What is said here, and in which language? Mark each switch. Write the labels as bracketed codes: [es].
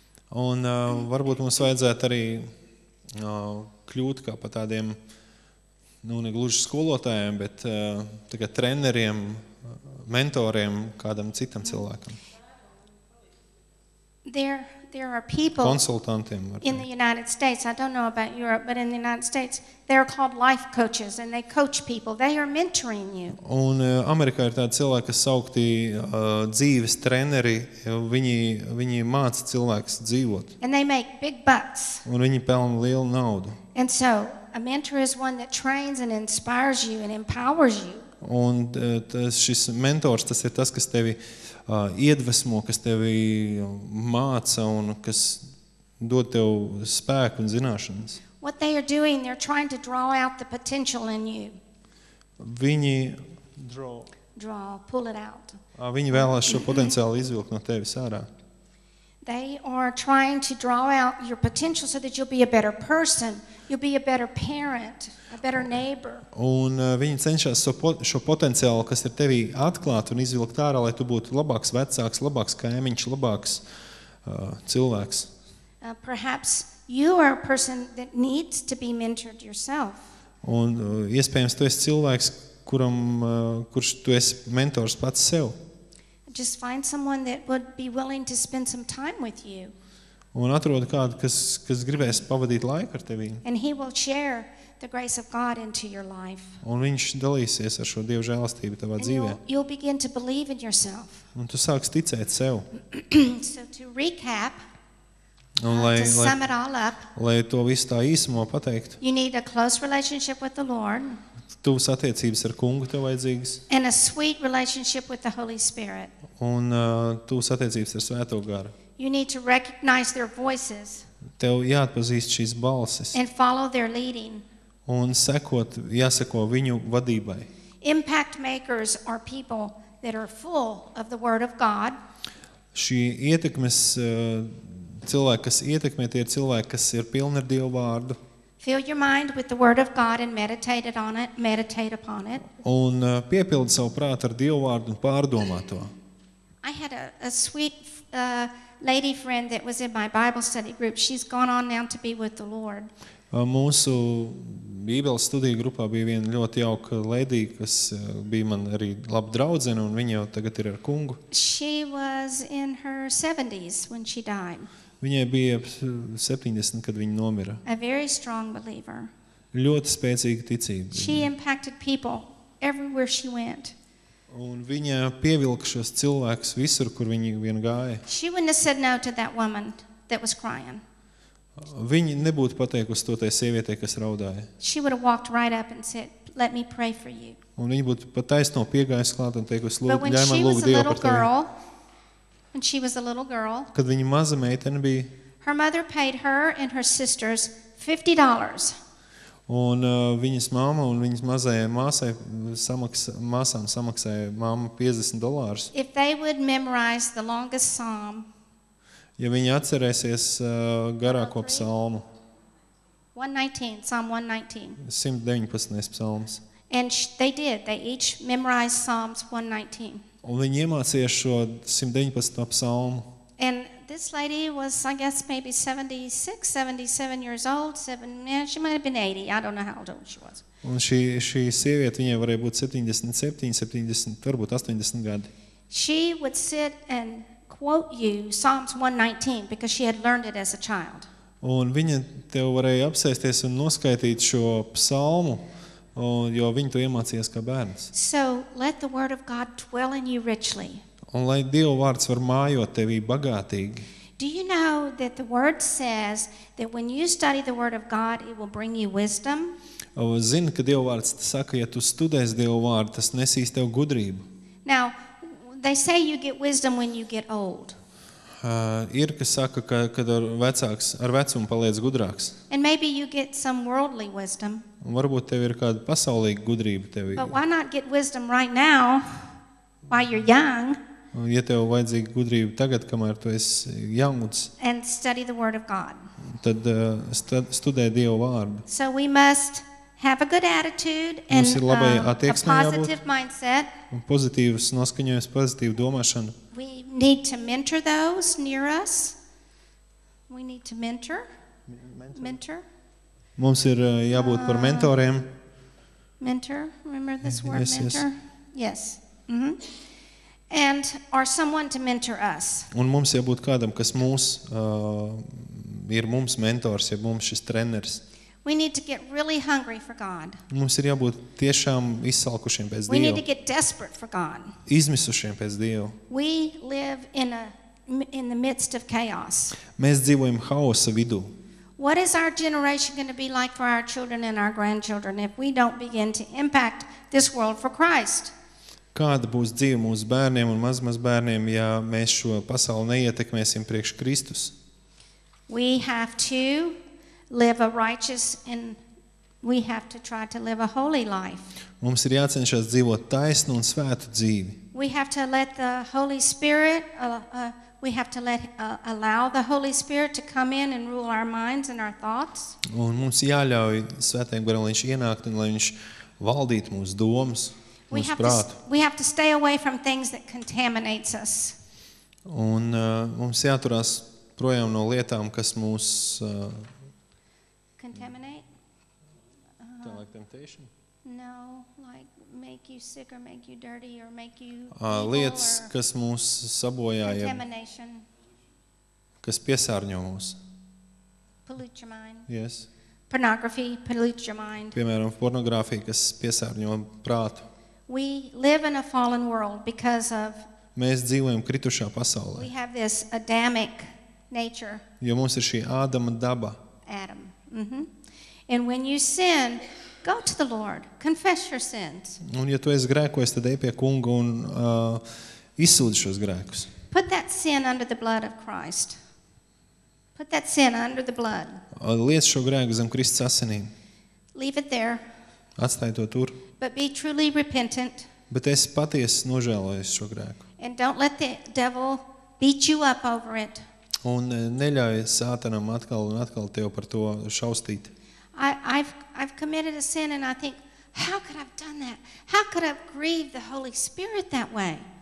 [lv] Un varbūt mums vajadzētu arī kļūt kā pa tādiem nu, ne gluži skolotājiem, bet tikai treneriem, mentoriem kādam citam cilvēkam. [en] There are people [lv] konsultantiem var. [en] In the United States, I don't know about Europe, but in the United States, they are called life coaches and they coach people. They are mentoring you. [lv] Un Amerikā ir tādi cilvēki, kas saukti dzīves treneri, viņi māca cilvēkus dzīvot. [en] And they make big bucks. [lv] Un viņi pelna lielu naudu. [en] And so, a mentor is one that trains and inspires you and empowers you. [lv] Un tas šis mentors, tas ir tas, kas tevi iedvesmo, kas tevi māca un kas dod tev spēku un zināšanas. [en] What they are doing, they're trying to draw out the potential in you. [lv] Viņi [en] draw, pull it out. [lv] Viņi vēlas šo potenciālu izvilkt no tevis ārā. [en] They are trying to draw out your potential so that you'll be a better person, you'll be a better parent, a better neighbor. [lv] Un viņi cenšas šo potenciālu, kas ir tevī atklāt un izvilkt ārā, lai tu būtu labāks vecāks, labāks kaimiņš, labāks cilvēks. [en] Perhaps you are a person that needs to be mentored yourself. [lv] Un iespējams tu esi cilvēks, kurš tu esi mentors pats sev. [en] Just find someone that would be willing to spend some time with you. [lv] Un atrod kādu, kas gribēs pavadīt laiku ar tevi. [en] And he will share the grace of God into your life. [lv] Un viņš dalīsies ar šo Dieva žēlastību tavā dzīvē. [en] You'll begin to believe in yourself. [lv] Un tu sāks ticēt sev. [en] So to recap, sum it all up, [lv] lai to visu tā īsumā pateikt. [en] You need a close relationship with the Lord. [lv] Tuvas attiecības ar Kungu tev vajadzīgas. [en] And a sweet relationship with the Holy Spirit. [lv] Un tuvas attiecības ar Svēto Garu. [en] You need to recognize their voices. [lv] Tev jāatpazīst šīs balses. [en] And follow their leading. [lv] Un jāseko viņu vadībai. [en] Impact makers are people that are full of the word of God. [lv] Šī ietekmes cilvēki, kas ietekmē, tie ir cilvēki, kas ir pilni ar Dievu vārdu. [en] Fill your mind with the word of God and meditate on it, meditate upon it. [lv] Un piepildi savu prātu ar Dievu vārdu un pārdomā to. [en] I had a sweet lady friend that was in my Bible study group. She's gone on now to be with the Lord. [lv] Mūsu Bībeles studiju grupā bija viena ļoti jauka lady, kas bija man arī laba draudzene, un viņa jau tagad ir ar Kungu. [en] She was in her 70s when she died. [lv] Viņai bija 70, kad viņa nomira. [en] A very strong believer. [lv] Ļoti spēcīga ticība. [en] She impacted people everywhere she went. [lv] Un viņa pievilka šos cilvēkus visur, kur viņi vien gāja. [en] She wouldn't have said no to that woman that was crying. [lv] Viņa nebūtu pateikusi to tai sievietei, kas raudāja. [en] She would have walked right up and said, "Let me pray for you." [lv] Un viņa būtu pataisno piegājusi klāt un teikusi, "Lūk, ļauj man lūgt Dievu par tevi." [en] And she was a little girl. [lv] Kad viņa maza meitene bija. [en] Her mother paid her and her sisters $50. [lv] Un viņas mamma un viņas mazajai māsai samaksāja mamma $50. [en] If they would memorize the longest psalm. [lv] Ja viņi atcerēsies garāko psalmu. [en] 119, Psalm 119. [lv] 119. Psalms. [en] And they did. They each memorized Psalms 119. [lv] Un viņi iemācījās šo 119. Psalmu. [en] And this lady was, I guess, maybe 76, 77 years old. She might have been 80. I don't know how old she was. [lv] Un šī sieviete, viņai varēja būt 77, 70, varbūt 80 gadi. [en] She would sit and quote you Psalms 119 because she had learned it as a child. [lv] Un viņa tev varēja apsēsties un noskaitīt šo psalmu. Un jo viņi to iemācījās kā bērns. [en] So let the word of God dwell in you richly. [lv] Un lai Dieva vārds var mājot tevī bagātīgi. [en] Do you know that the word says that when you study the word of God it will bring you wisdom? [lv] Zini, ka Dieva vārds saka, ja tu studēsi Dieva vārdu, tas nesīs tev gudrību. [en] Now they say you get wisdom when you get old. [lv] Ir, kas saka, ka kad ar vecumu paliec gudrāks. [en] And maybe you get some worldly wisdom. [lv] Un varbūt tev ir kāda pasaulīga gudrība tevī. [en] But why not get wisdom right now while you're young? [lv] Ja tev vajadzīga gudrība tagad, kamēr tu esi jauns. [en] And study the word of God. [lv] Tad studē Dievu vārdu. [en] So we must have a good attitude and a positive mindset. [lv] Un pozitīvs noskaņojums, pozitīva domāšana. [en] We need to mentor those near us. We need to mentor. [lv] Mums ir jābūt par mentoriem. [en] Mentor, remember this word, mentor? Yes. Mm-hmm. And or someone to mentor us. [lv] Un mums jābūt kādam, kas mūs ir mums mentors, ja mums šis treners. [en] We need to get really hungry for God. [lv] Mums ir jābūt tiešām izsalkušiem pēc Dieva. [en] We need to get desperate for God. [lv] Izmisušiem pēc Dieva. [en] We live in the midst of chaos. [lv] Mēs dzīvojam haosa vidū. [en] What is our generation going to be like for our children and our grandchildren if we don't begin to impact this world for Christ? [lv] Kāda būs dzīve mūsu bērniem un mazmazbērniem, ja mēs šo pasauli neietekmēsim priekš Kristus? [en] We have to live a righteous and we have to try to live a holy life. [lv] Mums ir jācenšas dzīvot taisnu un svētu dzīvi. [en] We have to let the Holy Spirit we have to let allow the Holy Spirit to come in and rule our minds and our thoughts. [lv] Un mums jāļauj Svētajam Garam, lai viņš ienāktu un lai viņš valdītu mūsu domas, mūsu prātu. [en] We have to stay away from things that contaminates us. [lv] Un mums jāturās projām no lietām, kas mūs [en] contaminate? Like temptation? No, like make you sick or make you dirty or make you [lv] lietas, kas mūs sabojā, kas piesārņo mūs. [en] Pollute your mind. Yes. Pornography pollutes your mind. [lv] Piemēram, pornogrāfija, kas piesārņo prātu. [en] We live in a fallen world because of [lv] Mēs dzīvojam kritušā pasaulē. [en] We have this Adamic nature. [lv] Jo mums ir šī Ādama daba. [en] Adam. Mm-hmm. And when you sin, go to the Lord, confess your sins. [lv] Un ja tu esi grēkojis, tad ej pie Kunga un izsūdi šos grēkus. [en] Put that sin under the blood of Christ. Put that sin under the blood. [lv] Liec šo grēku zem Kristus asinīm. [en] Leave it there. [lv] Atstāj to tur. [en] But be truly repentant. [lv] Bet esi patiesi nožēlojis šo grēku. [en] And don't let the devil beat you up over it. [lv] Un neļauj Sātanam atkal un atkal tev par to šaustīt. [en] I've committed a sin and I think how could I've done that? How could I've grieved the Holy Spirit that way?